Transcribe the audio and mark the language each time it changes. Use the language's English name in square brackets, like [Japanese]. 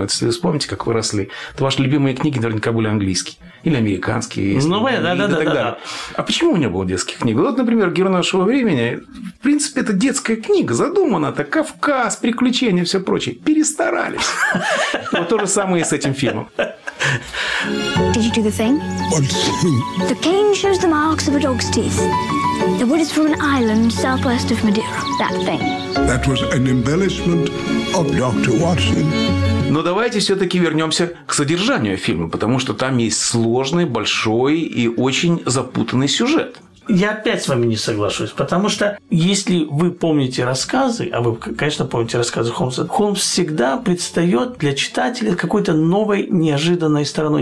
[Russian] Вот если вы вспомните, как вы росли, то ваши любимые книги наверняка были английские. Или американские. Ну, да, да, да, да, да, да. А почему у меня было детские книги? Вот, например, «Герой нашего времени». В принципе, это детская книга. Задумана так. Кавказ, приключения, все прочее. Перестарались. Вот то же самое и с этим фильмом. [English] Did you do the thing? The cane shows the marks of a dog's teeth. The wood is from an island southwest of Madeira. That thing. That was an embellishment of Dr. Watson. [Russian] Но давайте все-таки вернемся к содержанию фильма, потому что там есть сложный, большой и очень запутанный сюжет. Я опять с вами не соглашусь, потому что если вы помните рассказы, а вы, конечно, помните рассказы Холмса, Холмс всегда предстает для читателя какой-то новой, неожиданной стороной.